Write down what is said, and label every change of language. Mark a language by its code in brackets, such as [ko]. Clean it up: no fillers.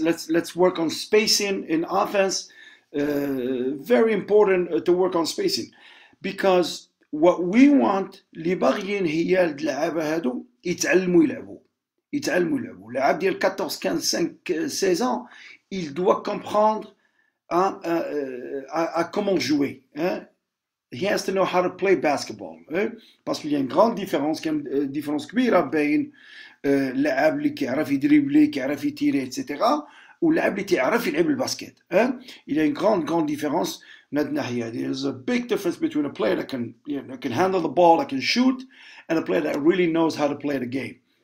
[en] Let's work on spacing in offense. Very important to work on spacing, because what we want, [fr] les barrières [ar] هي اللعبة هادو يتعلموا يلعبوا. [fr] Le gars de 14, 15, 5, 16 ans, il doit comprendre à comment jouer. Hein? [en] He has to know how to play basketball. Hein? [fr] Parce qu'il y a une grande différence, une différence [ar] kbira bain, [fr] le gars qui arrive à dribbler, qui arrive à tirer, etc. Ou le gars qui arrive à jouer le basket. Hein? Il y a une grande, grande différence. [en] There's a big difference between a player that can, you know, can handle the ball, that can shoot, and a player that really knows how to play the game.